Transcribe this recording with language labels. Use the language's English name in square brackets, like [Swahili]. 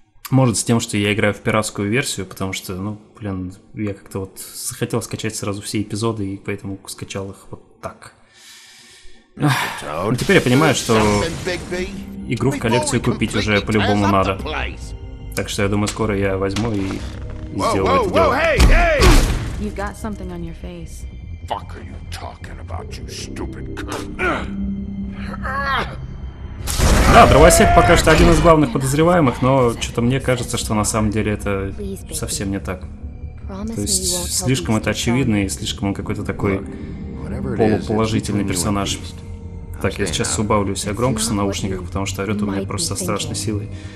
[Russian] Может, с тем, что я играю в пиратскую версию, потому что, ну, блин, я как-то вот захотел скачать сразу все эпизоды, и поэтому скачал их вот так. Ну, теперь я понимаю, что игру в коллекцию купить уже по-любому надо. Так что я думаю, скоро я возьму и сделаю это дело. [English] You got something on your face. Fuck are you talking about, you stupid cunt? [Russian] Да, дровосек пока что один из главных подозреваемых, но что-то мне кажется, что на самом деле это совсем не так. То есть слишком это очевидно и слишком он какой-то такой полуположительный персонаж. Так, я сейчас убавлю себя громкость на наушниках, потому что орёт у меня просто со страшной силой.